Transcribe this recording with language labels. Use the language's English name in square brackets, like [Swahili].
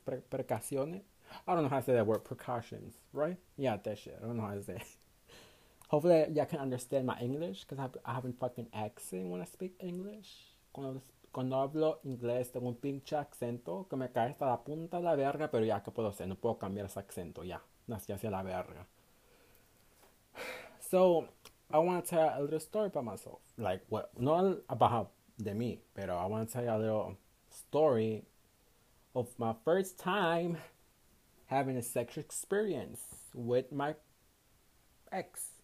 [English] Precaciones, I don't know how to say that word. Precautions, right? Yeah, that shit. I don't know how to say it. Hopefully, y'all can understand my English, because I have a fucking accent when I speak English. [Spanish] Cuando hablo inglés, tengo un pinche acento que me cae hasta la punta de la verga, pero ya, ¿qué puedo hacer? No puedo cambiar ese acento, ya. Nací hacia la verga. [English] So, I want to tell you a little story about myself. Like, what? Not about [Spanish] de mí, [English] pero I want to tell you a little story of my first time having a sexual experience with my ex.